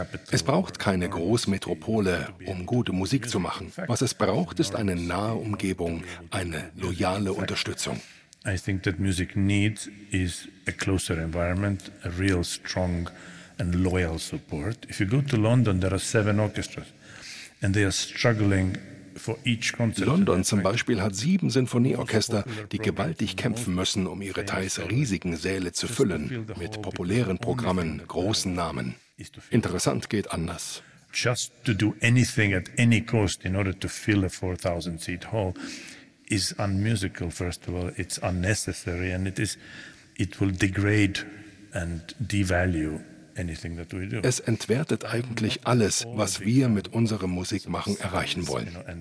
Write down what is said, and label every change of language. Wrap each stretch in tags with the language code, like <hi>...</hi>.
<de>Es braucht keine Großmetropole, um gute Musik zu machen. Was es braucht, ist eine nahe Umgebung, eine loyale Unterstützung.</de> <en>I think that music needs is a closer environment, a real strong and loyal support. If you go to London, there are 7 orchestras and they are struggling.</en> <de>London zum Beispiel hat 7 Sinfonieorchester, die gewaltig kämpfen müssen, um ihre teils riesigen Säle zu füllen, mit populären Programmen, großen Namen. Interessant geht anders.</de> <en>Just to do anything at any cost in order to fill a 4,000-seat hall is unmusical, first of all. It's unnecessary and it will degrade and devalue.</en> <de>Es entwertet eigentlich alles, was wir mit unserer Musik machen, erreichen wollen.</de>